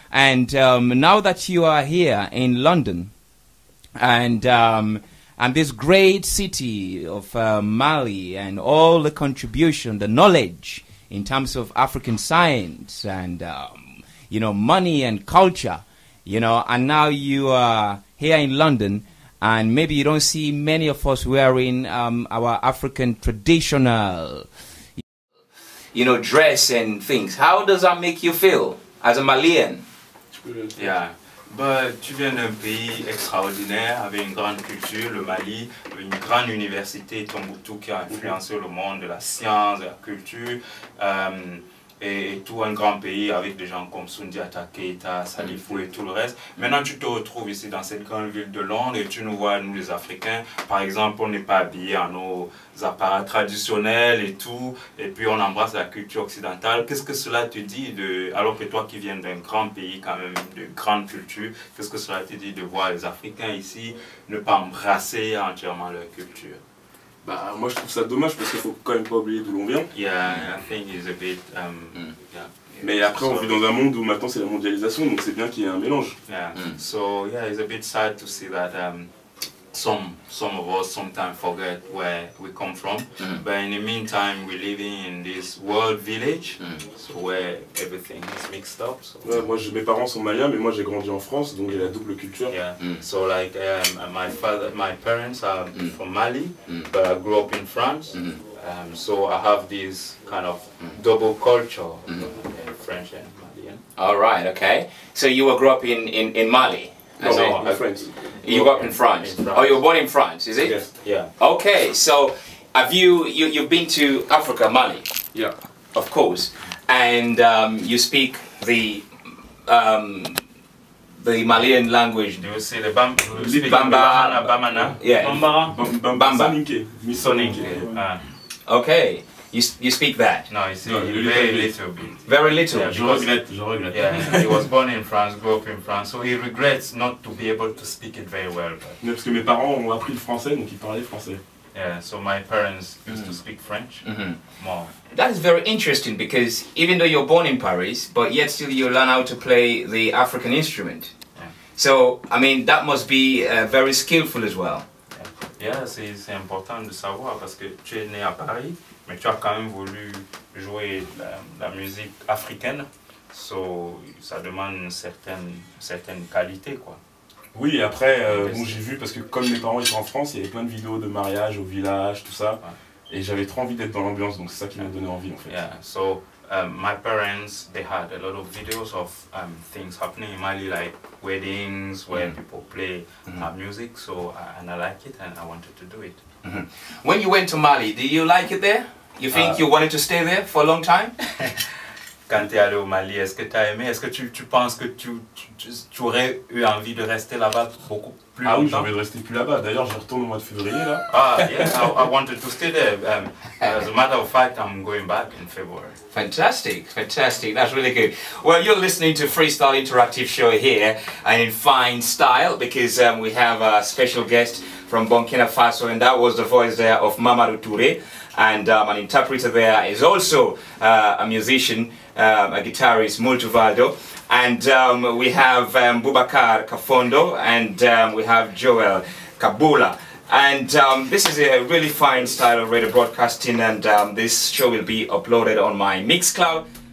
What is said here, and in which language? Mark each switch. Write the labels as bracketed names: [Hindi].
[English] And now that you are here in London, and this great city of Mali, and all the contribution, the knowledge in terms of African science and, you know, money and culture, you know, and now you are here in London, and maybe you don't see many of us wearing our African traditional, you know, dress and things. How does that make you feel as a Malian? Yeah. [French] But tu viens d'un pays extraordinaire, avec une grande culture, le Mali, une grande université, Tombouctou, qui a influencé le monde de la science, de la culture, et tout un grand pays avec des gens comme Sundiata Keita, Salifou et tout le reste. Maintenant, tu te retrouves ici dans cette grande ville de Londres et tu nous vois, nous les Africains, par exemple, on n'est pas habillés en nos apparats traditionnels et tout, et puis on embrasse la culture occidentale. Qu'est-ce que cela te dit, alors que toi qui viens d'un grand pays quand même, de grande culture, qu'est-ce que cela te dit de voir les Africains ici ne pas embrasser entièrement leur culture? Bah, moi je trouve ça dommage parce qu'il faut quand même pas oublier d'où l'on vient. [English] Yeah, I think it's a bit. [French] Mais après, on vit dans un monde où maintenant c'est la mondialisation, donc c'est bien qu'il y ait un mélange. [English] So it's a bit sad to see that some of us sometimes forget where we come from. But in the meantime, we're living in this world village, so where everything is mixed up. [French] Mes parents sont maliens, mais moi j'ai grandi en France, donc j'ai la double culture. [English] Yeah. So like my parents are from Mali, but I grew up in France. So I have this kind of double culture, French and Malian. All right. Okay. So you were grew up in Mali. No, in France. You grew up in France. Oh, you were born in France, is it? Yes. Yeah. Okay, so have you've been to Africa, Mali? Yeah. Of course. And you speak the Malian language. Do you say the Bambara, Bamana? Yeah. Bambara. Soninke. Misoninke. Okay. You speak that? No, you see, no, very little bit. Very little? [French] Yeah, je regrette. [English] Yeah, he was born in France, grew up in France, so he regrets not to be able to speak it very well. [French] Mais parce que mes parents ont appris le français, donc ils parlaient français. [English] Yeah, so my parents used to speak French more. That is very interesting, because even though you're born in Paris, but yet still you learn how to play the African instrument. Yeah. So, I mean, that must be very skillful as well. [French] Yeah, c'est important de savoir, parce que tu es né à Paris, mais tu as quand même voulu jouer la musique africaine, so ça demande certaines qualités quoi. Oui, après j'ai vu, parce que comme mes parents étaient en France, il y avait plein de vidéos de mariage au village, tout ça, et j'avais trop envie d'être dans l'ambiance, donc c'est ça qui m'a donné envie en fait. [English] Yeah. So my parents, they had a lot of videos of things happening in Mali, like weddings where people play music, so and I like it and I wanted to do it. When you went to Mali, did you like it there? You think you wanted to stay there for a long time? [French] Quand t'es allé au Mali, est-ce que t'as aimé? Est-ce que tu penses que tu aurais eu envie de rester là-bas beaucoup plus longtemps? Ah oui, j'ai envie de rester plus là-bas. D'ailleurs, je retourne au mois de février là. [English] I wanted to stay there. As a matter of fact, I'm going back in February. Fantastic. That's really good. Well, you're listening to Freestyle Interactive Show here, and in fine style, because we have a special guest from Burkina Faso, and that was the voice there of Mamadou Touré, and an interpreter there is also a musician, a guitarist, Muntu Valdo, and we have Boubacar Kafando, and we have Joel Kabula, and this is a really fine style of radio broadcasting, and this show will be uploaded on my Mixcloud.